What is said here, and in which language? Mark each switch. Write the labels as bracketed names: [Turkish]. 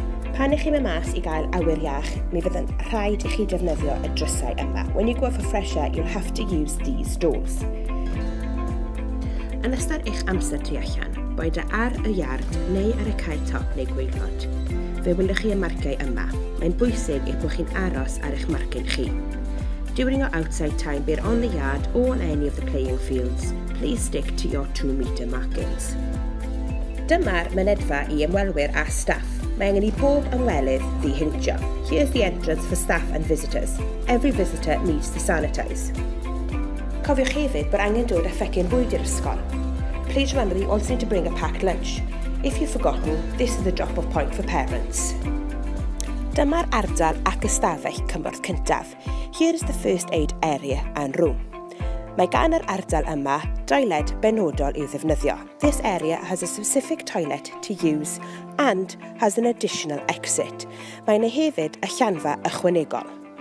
[Welsh] Pan ych chi'n mynd mas I gael awyr iach, mi fydd yn rhaid I chi defnyddio y drysau yma. [English] When you go for fresh air, you'll have to use these doors. [Welsh] Yn ystod eich amser tu allan, boed ar y yard neu ar y cae top neu gwaelod. Fe wylwch chi y marciau yma. Mae'n bwysig eich bod chi'n aros ar eich marcin chi. [English] During your outside time, be it on the yard or on any of the playing fields, please stick to your 2 metre markings. [Welsh] Dyma'r mynedfa I ymwelwyr a staff. Mae angen I bob ymwelydd ddihintio. [English] Here's the entrance for staff and visitors. Every visitor needs to sanitise. [Welsh] Cofiwch hefyd bod angen dod â phecyn bwyd i'r ysgol. [English] please remember that you also need to bring a packed lunch. If you've forgotten, this is the drop-off point for parents. [Welsh] Dyma'r ardal ac ystafell cymorth cyntaf. [English] Here is the first aid area and room. [Welsh] Mae gan yr ardal yma toilet benodol i'w ddefnyddio. [English] This area has a specific toilet to use and has an additional exit. [Welsh] Mae yna hefyd y llanfa ychwanegol.